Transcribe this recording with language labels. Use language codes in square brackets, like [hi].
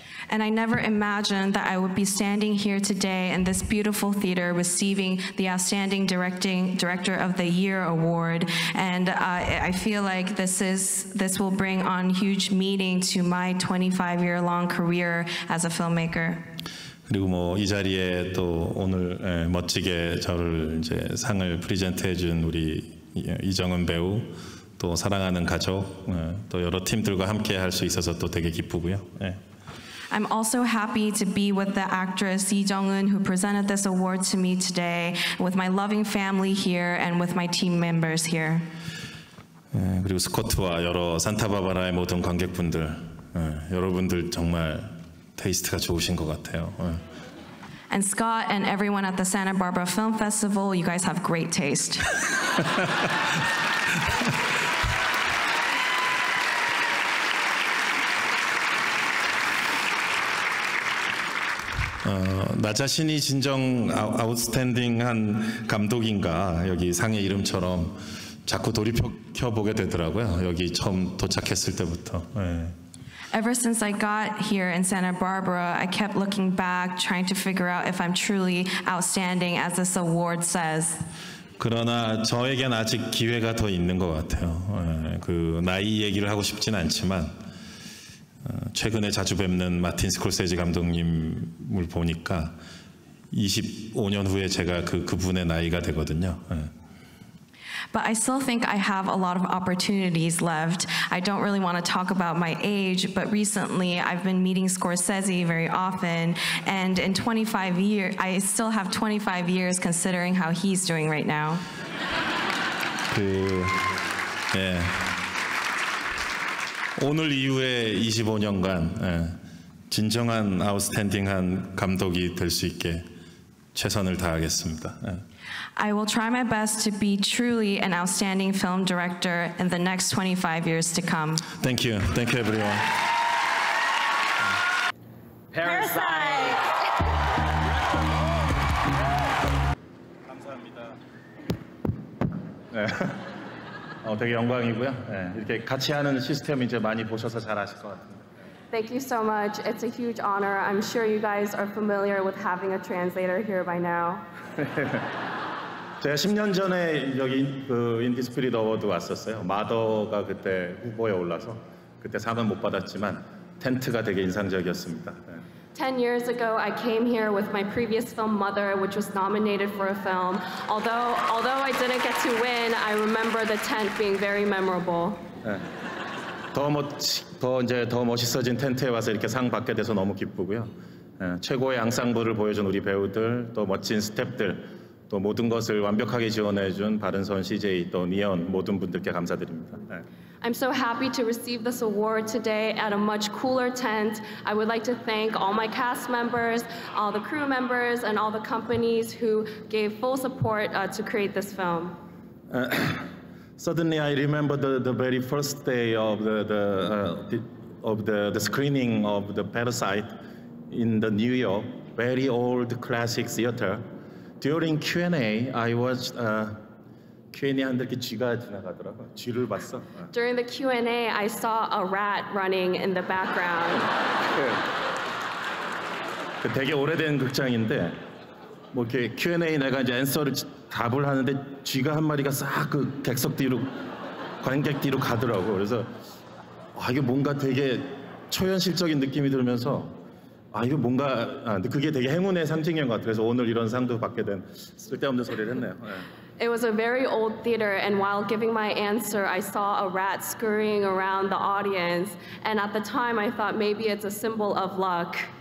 [en] And I never imagined that I would be standing here today in this beautiful theater receiving the Outstanding Director of the Year Award. And I feel like this will bring on huge meaning to my 25-year-long career as a filmmaker. [ko] 그리고 뭐 이 자리에 또 오늘 예, 멋지게 저를 이제 상을 프리젠트해준 우리 이정은 배우, 또 사랑하는 가족, 예, 또 여러 팀들과 함께 할 수 있어서 또 되게 기쁘고요. 예. [en] I'm also happy to be with the actress Lee Jung-eun who presented this award to me today with my loving family here and with my team members here. [ko] 그리고 스코트와 여러 산타바바라의 모든 관객분들, 여러분들 정말 테이스트가 좋으신 것 같아요. [en] And Scott and everyone at the Santa Barbara Film Festival, you guys have great taste. [ko] 나 자신이 진정 아웃스탠딩한 감독인가 여기 상의 이름처럼 자꾸 돌이켜 보게 되더라고요. 여기 처음 도착했을 때부터. 예. [en] Ever since I got here in Santa Barbara, I kept looking back, trying to figure out if I'm truly outstanding as this award says. [ko] 그러나 저에겐 아직 기회가 더 있는 것 같아요. 예. 그 나이 얘기를 하고 싶진 않지만. 최근에 자주 뵙는 마틴 스콜세지 감독님을 보니까 25년 후에 제가 그분의 나이가 되거든요. [en] But I still think I have a lot of opportunities left. I don't really want to talk about my age, but recently I've been meeting Scorsese very often, and in 25 years, I still have 25 years considering how he's doing right now. [ko] 그, 예. 오늘 이후에 25년간 진정한 아웃스탠딩한 감독이 될 수 있게 최선을 다하겠습니다. [en] I will try my best to be truly an outstanding film director in the next 25 years to come. Thank you. Thank you, everyone. Parasite! [ko] 감사합니다. 네. 되게 영광이고요. 네. 이렇게 같이 하는 시스템 이제 많이 보셔서 잘 아실 것 같아요. [en] Thank you so much. It's a huge honor. I'm sure you guys are familiar with having a translator here by now. [ko] 제가 10년 전에 여기 그 인디스피릿 어워드 왔었어요. 마더가 그때 후보에 올라서 그때 상은 못 받았지만 텐트가 되게 인상적이었습니다. [en] 10 years ago, I came here with my previous film, Mother, which was nominated for a film. Although I didn't get to win, I remember the tent being very memorable. [ko] 더 멋있어진 텐트에 와서 이렇게 상 받게 돼서 너무 기쁘고요. 최고의 앙상블을 보여준 우리 배우들, 또 멋진 스태프들, 또 모든 것을 완벽하게 지원해준 바른선 CJ, 또 니언 모든 분들께 감사드립니다. [en] I'm so happy to receive this award today at a much cooler tent. I would like to thank all my cast members, all the crew members, and all the companies who gave full support to create this film. Suddenly, I remember the very first day of the screening of the Parasite in the New York, very old classic theater. During Q&A, I watched Q&A한데 [ko] 쥐가 지나가더라고. 쥐를 봤어. [en] During the Q&A, I saw a rat running in the background. [ko] 그 되게 오래된 극장인데 뭐 이렇게 Q&A 내가 이제 answer를 답을 하는데 쥐가 한 마리가 싹 그 객석 뒤로 관객 뒤로 가더라고. 그래서 아 이게 뭔가 되게 초현실적인 느낌이 들면서 아 이거 뭔가 아 근데 그게 되게 행운의 상징인 것 같아. 그래서 오늘 이런 상도 받게 된 쓸데없는 소리를 했네요. 네. [en] It was a very old theater, and while giving my answer, I saw a rat scurrying around the audience. And at the time, I thought maybe it's a symbol of luck.